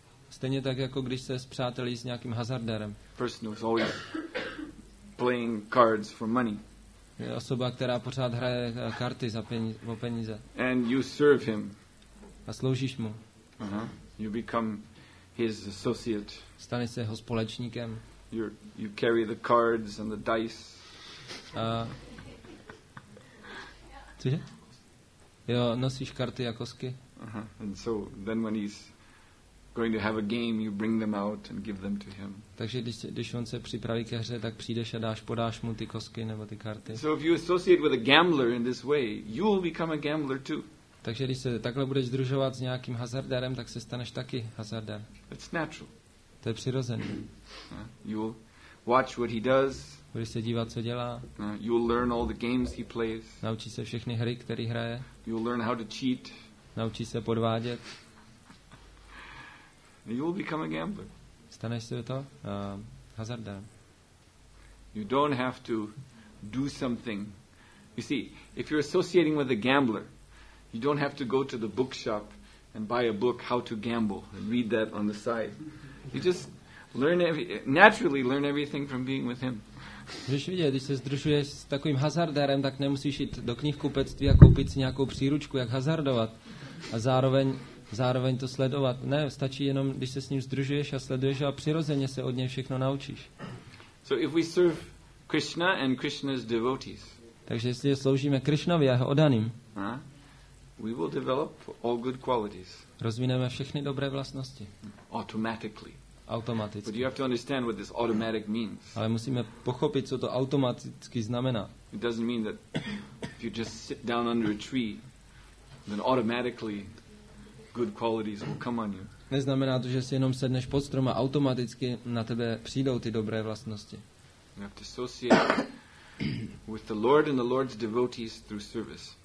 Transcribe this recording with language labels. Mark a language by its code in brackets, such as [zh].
[cs] Stejně tak, jako když se spřátelí s nějakým hazardérem. [en] Person who's always playing cards for money. [cs] Je osoba, která pořád hraje karty za peníze. [en] And you serve him. [cs] A sloužíš mu. [en] You become his associate. [cs] Staneš se jeho společníkem. [en] You carry the cards and the dice. [cs] Cože? Jo, nosíš karty a kosky. [en] And so then when he's going to have a game, you bring them out and give them to him. [cs] Takže když on se připraví ke hře, tak přijdeš a podáš mu ty kosky nebo ty karty. [en] So if you associate with a gambler in this way, you will become a gambler too. [cs] Takže když se takhle budeš družovat s nějakým hazardérem, tak se staneš taky hazardér. [en] It's natural. [cs] To je přirozené. [en] You watch what he does. [cs] Budeš se dívat, co dělá. [en] You learn all the games he plays. [cs] Naučí se všechny hry, které hraje. [en] You learn how to cheat. [cs] Naučí se podvádět. [en] And you will become a gambler. [cs] Staneš se to hazardem. [en] You don't have to do something. You see, if you're associating with a gambler, you don't have to go to the bookshop and buy a book, How to Gamble, and read that on the side. You just learn naturally learn everything from being with him. [cs] Když vidíš, když se združuješ s takovým hazardérem, tak nemusíš jít do knihkupectví a koupit si nějakou příručku, jak hazardovat a zároveň to sledovat. Ne, stačí jenom, když se s ním združuješ a sleduješ a přirozeně se od něj všechno naučíš. [en] So if we serve Krishna and Krishna's devotees, [cs] takže jestli sloužíme Krishnovi a jeho oddaným, [en] we will develop all good qualities. [cs] Rozvineme všechny dobré vlastnosti. [en] Automatically. [cs] Automaticky. [en] But you have to understand what this automatic means. [cs] Ale musíme pochopit, co to automaticky znamená. [en] It doesn't mean that if you just sit down under a tree, then automatically good qualities will come on you. [cs] Neznamená to, že si jenom sedneš pod strom a automaticky na tebe přijdou ty dobré vlastnosti. [en] You have to associate with the Lord and the Lord's devotees through service.